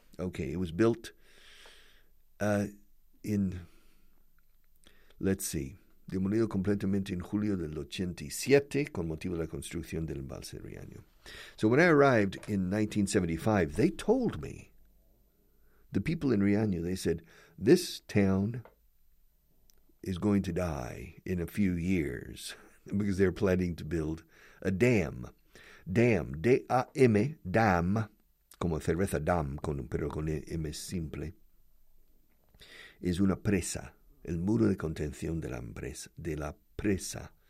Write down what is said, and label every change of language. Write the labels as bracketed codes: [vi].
[en] Okay, it was built [es] demolido completamente en julio del 87 con motivo de la construcción del embalse de Riaño. [en] So when I arrived in 1975, they told me, the people in Riaño, they said, this town is going to die in a few years because they're planning to build a dam. [es] Dam, D-A-M, dam, como cerveza dam, pero con M simple, es una presa, el muro de contención de la presa.